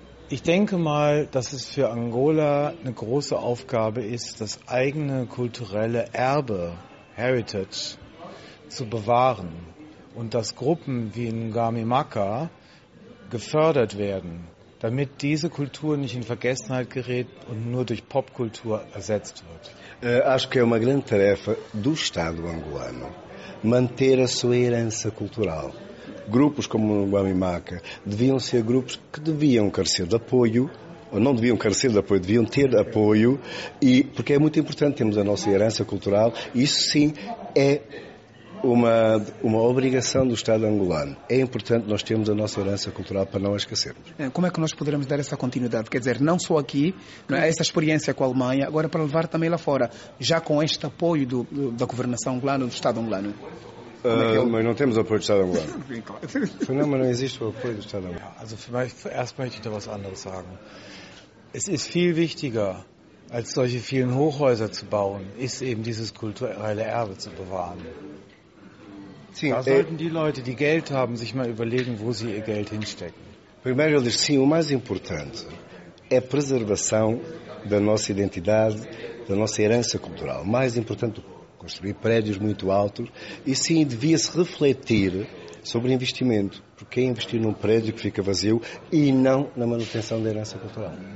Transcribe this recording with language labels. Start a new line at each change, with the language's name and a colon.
German: Ich denke mal, dass es für Angola eine große Aufgabe ist, das eigene kulturelle Erbe, Heritage, zu bewahren und dass Gruppen wie in Ngami Maka gefördert werden, damit diese Kultur nicht in Vergessenheit gerät und nur durch Popkultur ersetzt wird.
Portuguese: Acho que é uma grande tarefa do Estado angolano manter a sua herança cultural. Grupos como o Guami Maca deviam ser grupos que deviam carecer de apoio, ou não deviam carecer de apoio, deviam ter apoio, e, porque é muito importante, temos a nossa herança cultural, e isso sim é uma obrigação do Estado angolano. É importante nós termos a nossa herança cultural para não a esquecermos. Como é que nós poderemos dar essa continuidade? Quer dizer, não só aqui, não é? Essa experiência com a Alemanha, agora para levar também lá fora, já com este apoio da governação angolana, do Estado angolano? Mas não temos apoio do Estado angolano. Não, mas não existe o apoio do Estado angolano.
German: Also, erst möchte ich da was anderes sagen. Es ist viel wichtiger, als solche vielen Hochhäuser zu bauen, ist eben dieses kulturelle Erbe zu bewahren. Sim, da sollten die Leute, die Geld haben, sich mal überlegen, wo sie ihr Geld hinstecken.
Portuguese: Primeiro, eu disse, sim, o mais importante é a preservação da nossa identidade, da nossa herança cultural. Mais importante construir prédios muito altos, e sim, devia-se refletir sobre investimento, porque é investir num prédio que fica vazio e não na manutenção da herança cultural.